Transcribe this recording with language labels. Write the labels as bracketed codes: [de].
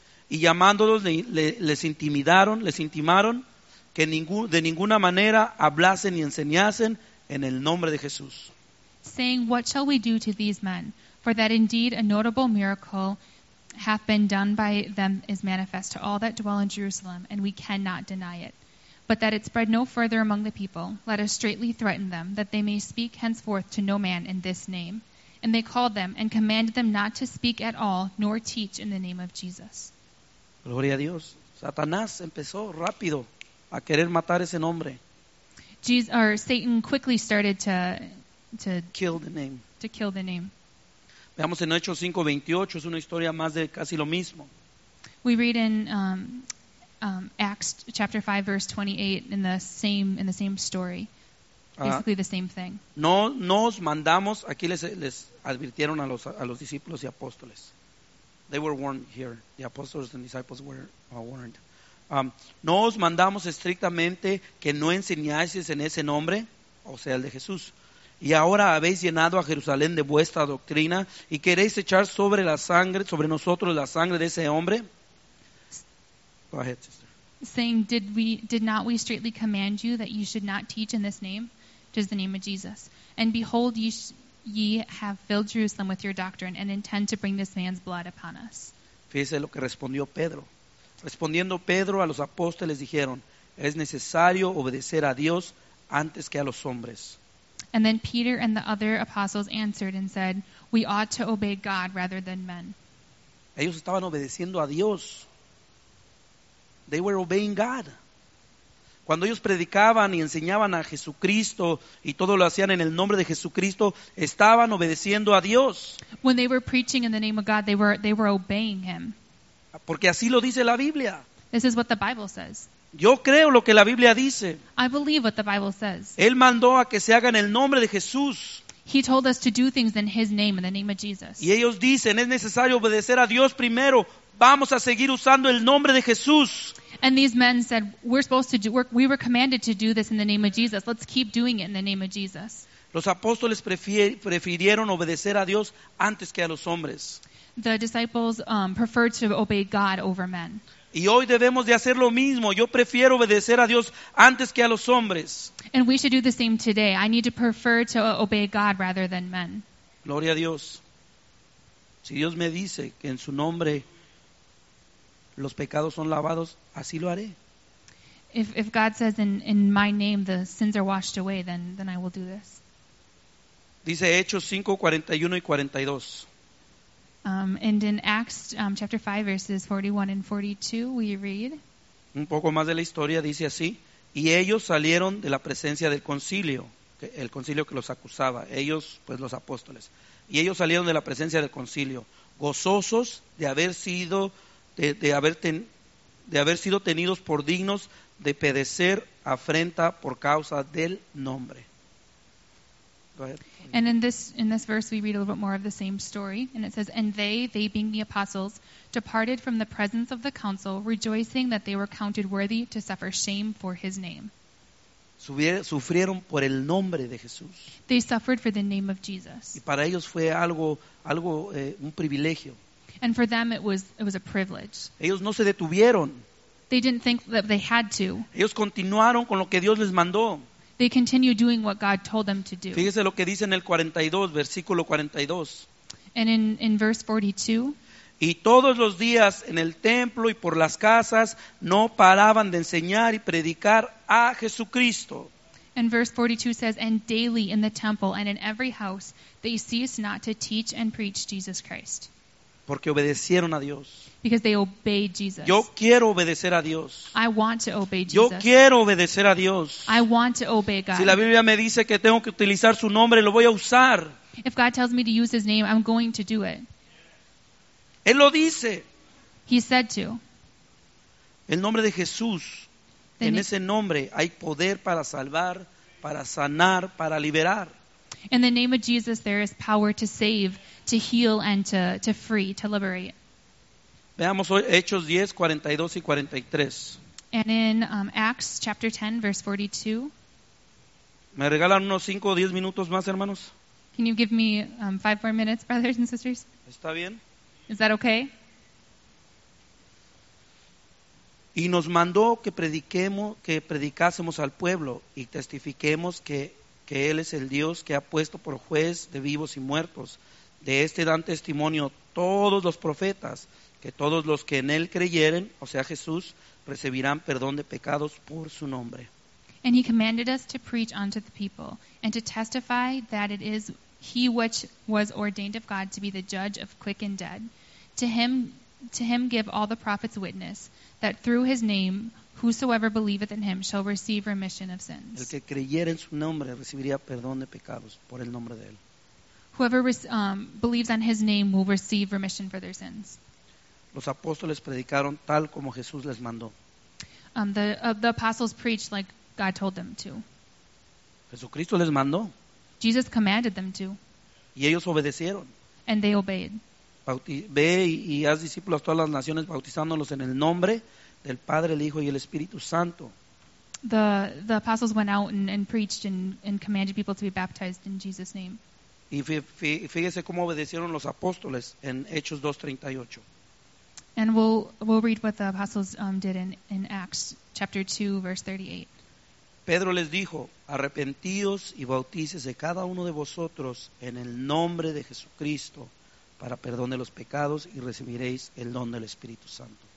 [es] Y llamándolos, les intimaron que de ninguna manera hablasen y enseñasen en el nombre de Jesús. [en] Saying, what shall we do to these men? For that indeed a notable miracle hath been done by them is manifest to all that dwell in Jerusalem, and we cannot deny it. But that it spread no further among the people, let us straitly threaten them, that they may speak henceforth to no man in this name. And they called them, and commanded them not to speak at all, nor teach in the name of Jesus. [es] Gloria a Dios. Satanás empezó rápido a querer matar ese nombre. [en] Satan quickly started to kill the name. To kill the name. [es] Veamos en Hechos 5:28, es una historia más de casi lo mismo. [en] We read in Acts chapter 5 verse 28 in the same story. Basically the same thing. [es] No nos mandamos, aquí les advirtieron a los discípulos y apóstoles. [en] They were warned here. The apostles and disciples were warned. [es] No os mandamos estrictamente que no enseñases en ese nombre, o sea, el de Jesús. Y ahora habéis llenado a Jerusalén de vuestra doctrina y queréis echar sobre nosotros la sangre de ese hombre. [en] Go ahead, sister. Saying, did not we straightly command you that you should not teach in this name, which is the name of Jesus? And behold, ye have filled Jerusalem with your doctrine and intend to bring this man's blood upon us. [es] Fíjese lo que respondió Pedro. Respondiendo Pedro a los apóstoles dijeron, es necesario obedecer a Dios antes que a los hombres. [en] And then Peter and the other apostles answered and said, we ought to obey God rather than men. [es] Ellos estaban obedeciendo a Dios. [en] They were obeying God. [es] Cuando ellos predicaban y enseñaban a Jesucristo y todo lo hacían en el nombre de Jesucristo, estaban obedeciendo a Dios. [en] When they were preaching in the name of God, they were obeying him. [es] Porque así lo dice la Biblia. [en] This is what the Bible says. [es] Yo creo lo que la Biblia dice. [en] I believe what the Bible says. [es] Él mandó a que se haga en el nombre de Jesús. [en] He told us to do things in His name, in the name of Jesus. [es] Y ellos dicen, es necesario obedecer a Dios primero. Vamos a seguir usando el nombre de Jesús. [en] And these men said, we're supposed to do work. We were commanded to do this in the name of Jesus. Let's keep doing it in the name of Jesus. [es] Los apóstoles prefirieron obedecer a Dios antes que a los hombres. [en] The disciples preferred to obey God over men. [es] Y hoy debemos de hacer lo mismo. Yo prefiero obedecer a Dios antes que a los hombres. [en] And we should do the same today. I need to prefer to obey God rather than men. [es] Gloria a Dios. Si Dios me dice que en su nombre los pecados son lavados, así lo haré. [en] If God says in my name the sins are washed away, then I will do this. [es] Dice Hechos 5, 41 y 42. [en] And in Acts chapter 5, verses 41 and 42, we read. [es] Un poco más de la historia dice así. Y ellos salieron de la presencia del concilio, el concilio que los acusaba. Ellos, pues los apóstoles. Y ellos salieron de la presencia del concilio, gozosos de haber sido de haber sido tenidos por dignos de padecer afrenta por causa del nombre. [en] And in this verse we read a little bit more of the same story, and it says, and they being the apostles, departed from the presence of the council, rejoicing that they were counted worthy to suffer shame for his name. [es] Sufrieron por el nombre de Jesús. [en] They suffered for the name of Jesus. [es] Y para ellos fue algo un privilegio. [en] And for them it was a privilege. [es] Ellos no se detuvieron. [en] They didn't think that they had to. [es] Ellos continuaron con lo que Dios les mandó. [en] They continue doing what God told them to do. [es] Fíjese lo que dice en el 42, versículo 42. [en] And in verse 42. [es] Y todos los días en el templo y por las casas no paraban de enseñar y predicar a Jesucristo. [en] And verse 42 says, and daily in the temple and in every house they ceased not to teach and preach Jesus Christ. [es] Porque obedecieron a Dios. [en] Because they obeyed Jesus. [es] Yo quiero obedecer a Dios. [en] I want to obey Jesus. [es] Yo quiero obedecer a Dios. [en] I want to obey God. [es] Si la Biblia me dice que tengo que utilizar su nombre, lo voy a usar. [en] If God tells me to use his name, I'm going to do it. [es] Él lo dice. [en] He said to. [es] El nombre de Jesús. En ese nombre hay poder para salvar, para sanar, para liberar. [en] In the name of Jesus, there is power to save, to heal, and to free, to liberate. [es] Veamos hoy Hechos 10, 42 y 43. [en] And in Acts chapter 10, verse 42. [es] ¿Me regalan unos 5 o 10 minutos más, hermanos? [en] Can you give me 5 more minutes, brothers and sisters? [es] ¿Está bien? [en] Is that okay? [es] Y nos mandó que prediquemos, que predicásemos al pueblo y testifiquemos que Él es el Dios que ha puesto por juez de vivos y muertos. De este dan testimonio todos los profetas, que todos los que en Él creyeren, o sea Jesús, recibirán perdón de pecados por su nombre. [en] And He commanded us to preach unto the people, and to testify that it is He which was ordained of God to be the judge of quick and dead. To him give all the prophets witness, that through His name whosoever believeth in Him shall receive remission of sins. [es] El que creyere en su nombre recibiría perdón de pecados por el nombre de Él. [en] Whoever believes on His name will receive remission for their sins. [es] Los apóstoles predicaron tal como Jesús les mandó. [en] The apostles preached like God told them to. [es] Jesucristo les mandó. [en] Jesus commanded them to. [es] Y ellos obedecieron. [en] And they obeyed. [es] Ve y haz discípulos a todas las naciones, bautizándolos en el nombre del Padre, el Hijo y el Espíritu Santo. [en] The apostles went out and preached and commanded people to be baptized in Jesus' name. [es] Y fíjese cómo obedecieron los apóstoles en Hechos 2:38. [en] And we'll read what the apostles did in Acts chapter 2, verse 38. [es] Pedro les dijo, arrepentíos y bautícese cada uno de vosotros en el nombre de Jesucristo para perdón de los pecados y recibiréis el don del Espíritu Santo.